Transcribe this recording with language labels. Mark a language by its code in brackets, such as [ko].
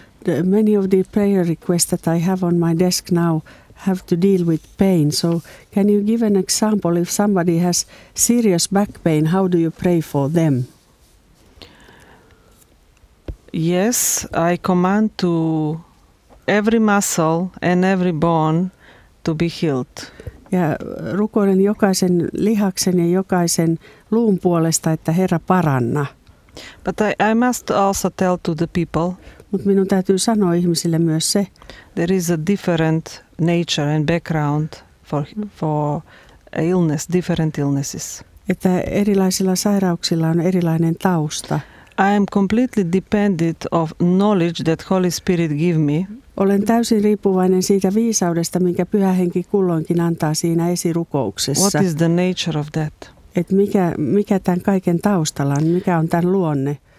[en] Many of the prayer requests that I have on my desk now have to deal with pain. So can you give an example? If somebody has serious back pain, how do you pray for them? Yes, I command to every muscle and every bone to be healed. [fi] Ja rukoilen jokaisen lihaksen ja jokaisen luun puolesta, että Herra paranna. [en] But I must also tell to the people. [fi] Mut minun täytyy sanoa ihmisille myös se. [en] There is a different nature and background for illness, different illnesses. [fi] Että erilaisilla sairauksilla on erilainen tausta. [en] I am completely dependent of knowledge that Holy Spirit give me. [fi] Olen täysin riippuvainen siitä viisaudesta, minkä Pyhä Henki kulloinkin antaa siinä esirukouksessa. [en] What is the nature of that? [fi] Et mikä tämän kaiken taustalla on, mikä on tämän luonne?